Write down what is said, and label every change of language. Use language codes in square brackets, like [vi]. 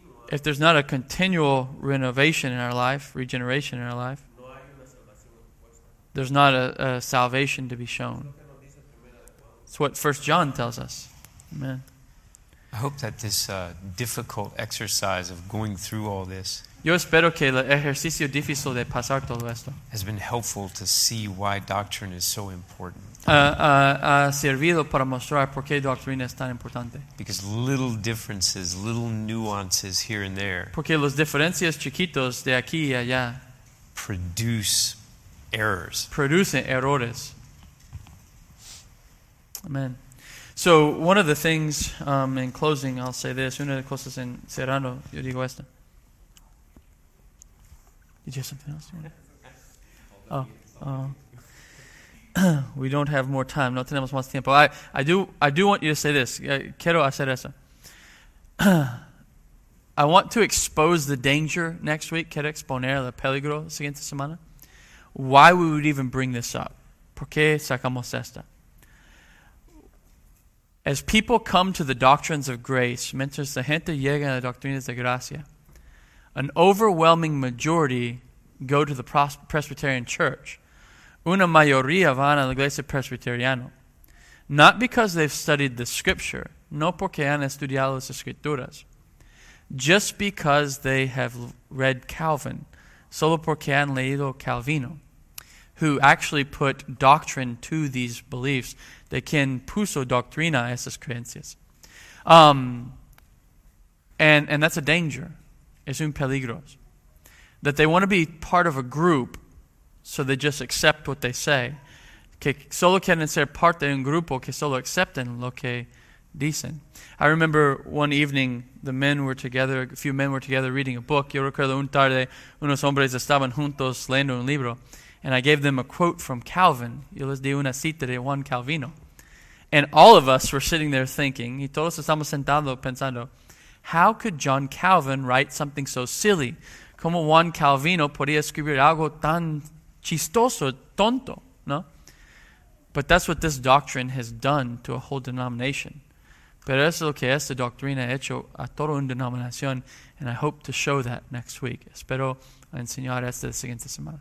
[en] if there's not a continual renovation in our life, regeneration in our life, there's not a salvation to be shown. It's what 1 John tells us. Amen. I hope that this difficult exercise of going through all this, [es] yo espero que el ejercicio difícil de pasar todo esto, [en] has been helpful to see why doctrine is so important. [es] Ha servido para mostrar por qué doctrina es tan importante. [en] Because little differences, little nuances here and there, [es] porque las diferencias chiquitos de aquí y allá, [en] produce errors. [es] Producen errores. [en] Amen. So one of the things, in closing, I'll say this. [es] Una de las cosas en cerrando, yo digo esto. [en] Did you have something else? Oh. We don't have more time. [es] No tenemos más tiempo. [en] I do want you to say this. [es] Quiero hacer eso. [en] I want to expose the danger next week. [es] Quiero exponer el peligro la siguiente semana. [en] Why we would even bring this up. [es] ¿Por qué sacamos esto? [en] As people come to the doctrines of grace, [es] mientras la gente llega a las doctrinas de gracia, [en] an overwhelming majority go to the Presbyterian Church. [es] Una mayoría van a la iglesia presbiteriana. [en] Not because they've studied the scripture, [es] no porque han estudiado las escrituras. [en] Just because they have read Calvin, [es] solo porque han leído Calvino, [en] who actually put doctrine to these beliefs, [es] de quien puso doctrina a esas creencias. [en] And that's a danger. [es] Es un peligro. [en] That they want to be part of a group, so they just accept what they say. [es] Que solo quieren ser parte de un grupo que solo acepten lo que dicen. [en] I remember one evening, a few men were together reading a book. [es] Yo recuerdo un tarde, unos hombres estaban juntos leyendo un libro. [en] And I gave them a quote from Calvin. [es] Yo les di una cita de Juan Calvino. [en] And all of us were sitting there thinking, [es] y todos estamos sentados pensando, [en] how could John Calvin write something so silly? [es] ¿Cómo Juan Calvino podía escribir algo tan chistoso, tonto, no? [en] But that's what this doctrine has done to a whole denomination. [es] Pero eso es lo que esta doctrina ha hecho a toda una denominación, [en] and I hope to show that next week. [es] Espero enseñar esto la siguiente semana.